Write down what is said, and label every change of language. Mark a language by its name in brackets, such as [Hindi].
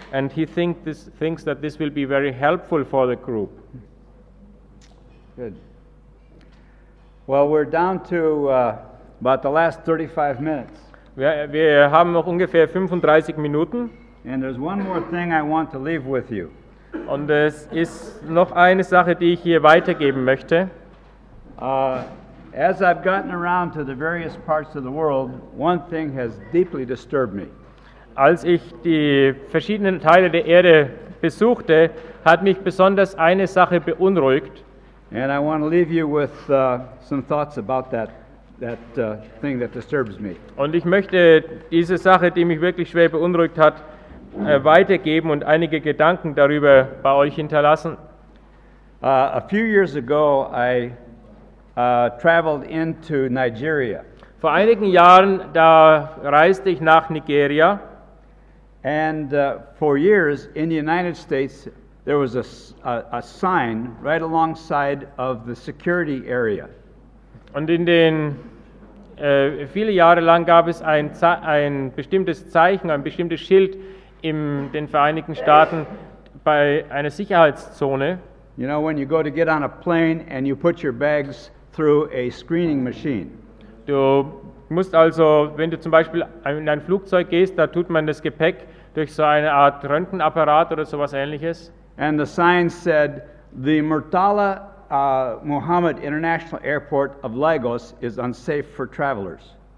[English] And he thinks that this will be very helpful for the group. Good. Well, we're down to about the last 35 minutes. [German] Wir haben noch ungefähr 35 Minuten. [English] And there's one more thing I want to leave with you. [German] Und es ist noch eine Sache, die ich hier weitergeben möchte. [English] As I've gotten around to the various parts of the world, one thing has deeply disturbed me. [German] Als ich die verschiedenen Teile der Erde besuchte, hat mich besonders eine Sache beunruhigt. [English] And I want to leave you with some thoughts about that thing that disturbs me. [German] Und ich möchte diese Sache, die mich wirklich schwer beunruhigt hat, weitergeben und einige Gedanken darüber bei euch hinterlassen. [English] A few years ago, I traveled into Nigeria. [German] Vor einigen Jahren da reiste ich nach Nigeria. [English] And for years in the United States there was a sign right alongside of the security area. [German] Und in den viele Jahre lang gab es ein bestimmtes Zeichen, ein bestimmtes Schild in den Vereinigten Staaten bei einer Sicherheitszone. [English] You know, when you go to get on a plane and you put your bags through a screening machine. [German] Du musst also, wenn du zum Beispiel in ein Flugzeug gehst, da tut man das Gepäck durch so eine Art Röntgenapparat oder sowas ähnliches. [English] And the sign said, the Murtala Muhammad International Airport of Lagos is unsafe for travelers.